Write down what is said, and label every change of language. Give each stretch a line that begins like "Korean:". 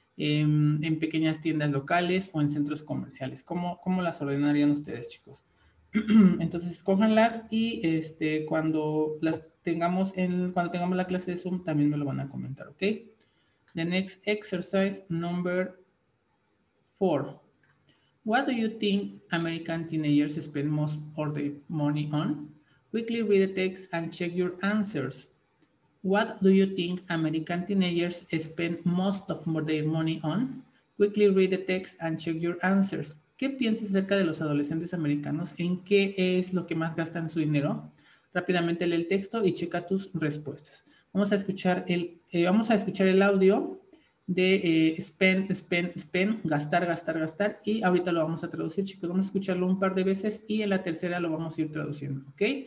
Spanish: en pequeñas tiendas locales o en centros comerciales. ¿Cómo las ordenarían ustedes, chicos? Entonces, escójanlas y cuando las tengamos cuando tengamos la clase de Zoom, también me lo van a comentar, ¿ok?
English: The next exercise, number 4. What do you think American teenagers spend most of their money on? Quickly read the text and check your answers. What do you think American teenagers spend most of their money on? Quickly read the text and check your answers.
Spanish: ¿Qué piensas acerca de los adolescentes americanos? ¿En qué es lo que más gastan su dinero? Rápidamente lee el texto y checa tus respuestas. Vamos a escuchar el audio de
English: spend, spend, spend,
Spanish: gastar, gastar, gastar. Y ahorita lo vamos a traducir, chicos. Vamos a escucharlo un par de veces y en la tercera lo vamos a ir traduciendo, ¿ok?